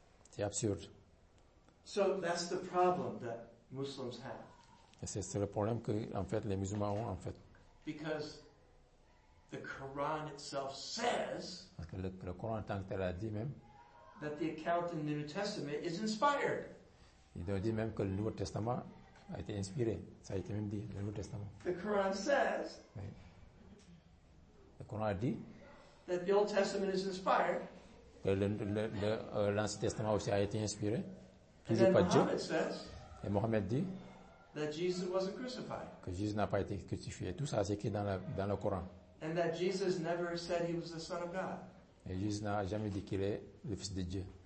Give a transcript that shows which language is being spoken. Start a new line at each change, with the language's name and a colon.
French: C'est absurde.
English: So that's the problem that Muslims have.
French: Et c'est le problème que en fait les musulmans ont en fait.
English: Because the Quran itself says.
French: Parce que le Coran en tant que tel a dit même.
English: That the account in the New Testament is inspired.
French: Il a dit même que le Nouveau Testament a été inspiré. Ça a été même dit, le Nouveau Testament.
English: The Quran says.
French: Oui. Le Coran a dit.
English: That the Old Testament is inspired.
French: Que l'Ancien Testament aussi a été inspiré.
English: And then Mohammed says.
French: Et Mohammed dit.
English: That Jesus wasn't crucified.
French: Que Jésus n'a pas été crucifié. Tout ça, c'est écrit dans le Coran.
English: And that Jesus never said he was the Son of God.
French: Et Jésus n'a jamais dit qu'il est le Fils de Dieu.